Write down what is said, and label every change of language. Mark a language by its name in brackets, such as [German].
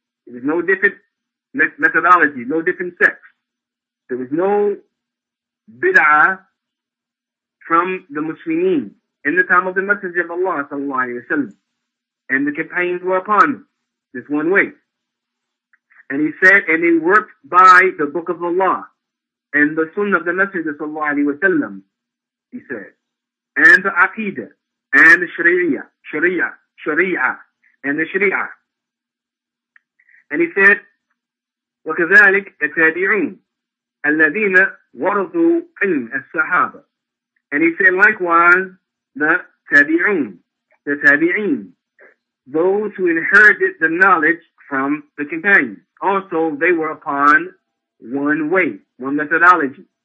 [English] There was no different methodology, no different sects. There was no bid'ah from the Muslimin in the time of the Messenger of Allah, sallallahu alayhi wa sallam. And the companions were upon this one way. And he said, and they worked by the book of Allah and the sunnah of the Messenger, sallallahu alayhi wa sallam, he said. And the aqidah, and the sharia. And he said, [Arabic] وكذلك التابعون الذين ورثوا علم الصحابة. [English] And he said, likewise, the tabi'een, those who inherited the knowledge from the companions. Also, they were upon one way, one methodology.